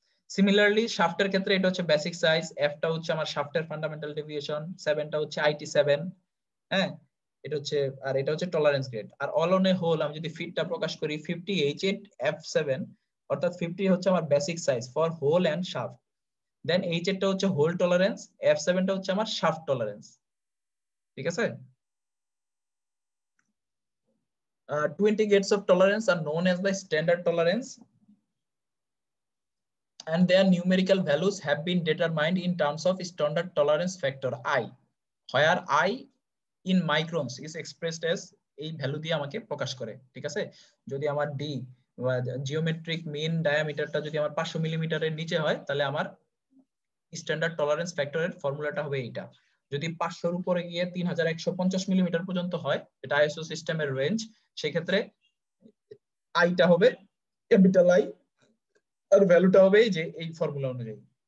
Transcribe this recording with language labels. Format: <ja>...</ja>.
<bn>Similarly শাফটের ক্ষেত্রে এটা হচ্ছে বেসিক সাইজ, Fটা হচ্ছে আমার শাফটের ফান্ডামেন্টাল ডেভিয়েশন, 7টা হচ্ছে IT7, হ্যাঁ, এটা হচ্ছে, আর এটা হচ্ছে tolerance grade. আর</bn> <en>all on a hole</en> <bn>আমি যদি ফিটটা প্রকাশ করি, 50H8F7, অর্থাৎ 50 হচ্ছে আমার</bn> <en>Basic size for hole and shaft.</en> <bn>দেন H8টা হচ্ছে হোল টলারেন্স, F7টা হচ্ছে আমার শাফট টলারেন্স, ঠিক আছে।</bn> <en>20 grades of tolerance are known as the standard tolerance and their numerical values have been determined in terms of standard tolerance factor I, where I in microns is expressed as</en> <bn>এই value দিয়ে আমাকে প্রকাশ করে, ঠিক আছে। যদি আমার d geometric mean ডায়ামিটারটা যদি আমার 500 মিলিমিটারের নিচে হয়, তাহলে আমার স্ট্যান্ডার্ড টলারেন্স ফ্যাক্টরের ফর্মুলাটা হবে এইটা। যদি 500 এর উপরে গিয়ে 3150 মিলিমিটার পর্যন্ত হয়, এটা আইএসও সিস্টেমের রেঞ্জ, সেক্ষেত্রে I টা হবে ক্যাপিটাল I, আর ভ্যালুটা হবে এই যে এই ফর্মুলা অনুযায়ী।</bn>